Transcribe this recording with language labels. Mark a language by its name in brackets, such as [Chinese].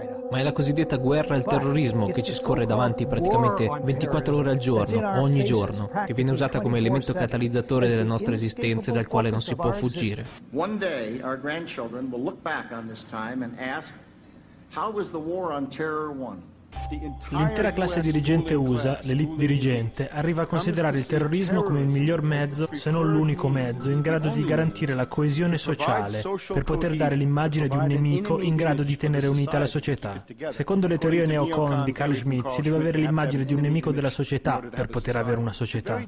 [Italian] Ma è la cosiddetta guerra al terrorismo che ci scorre davanti praticamente 24 ore al giorno, ogni giorno, che viene usata come elemento catalizzatore delle nostre esistenze dal quale non si può fuggire. [English] One day our grandchildren will look back on this time and ask, how was the war on terror won? [Italian] L'intera classe dirigente USA, l'elite dirigente, arriva a considerare il terrorismo come il miglior mezzo, se non l'unico mezzo, in grado di garantire la coesione sociale, per poter dare l'immagine di un nemico in grado di tenere unita la società. Secondo le teorie neocon di Carl Schmitt, si deve avere l'immagine di un nemico della società per poter avere una società.